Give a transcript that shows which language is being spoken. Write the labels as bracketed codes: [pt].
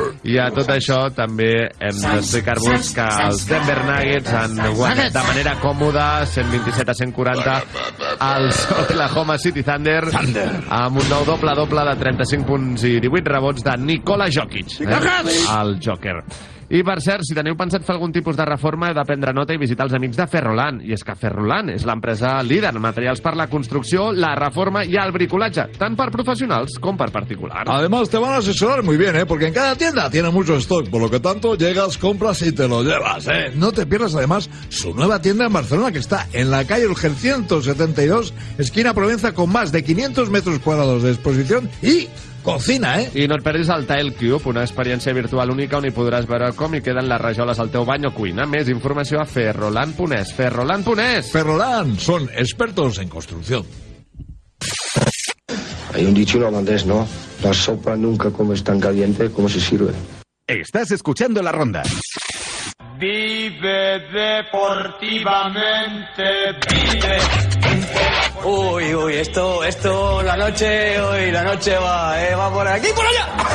[ca] I a tot això també hem d'explicar-vos que els Denver Nuggets han guanyat de manera còmoda 127-140 als Oklahoma City Thunder amb un nou doble-doble de 35 punts i 18 rebots de Nikola Jokic, el Joker. I, per cert, si teniu pensat fer algun tipus de reforma, heu de prendre nota i visitar els amics de Ferrolan. I és que Ferrolan és l'empresa líder en materials per la construcció, la reforma i el bricolatge, tant per professionals com per particulars. [es] Además, te van a asesorar muy bien, ¿eh? Porque en cada tienda tiene mucho stock, por lo que tanto llegas, compras y te lo llevas, ¿eh? No te pierdas, además, su nueva tienda en Barcelona, que está en la calle Urgel 172, esquina Provenza, con más de 500 metros cuadrados de exposición y... cocina, eh? [ca] I no et perdis el Tile Cube, una experiència virtual única on hi podràs veure com hi queden les rajoles al teu bany o cuina. Més informació a ferrolan.es. Ferrolan.es! Ferrolan, són expertos en construcció. [es] Hay un dicho holandés, ¿no? La sopa nunca comes tan caliente como se sirve. Estás escuchando La Ronda. Vive deportivamente, vive. Uy, uy, esto, la noche va por aquí, por allá.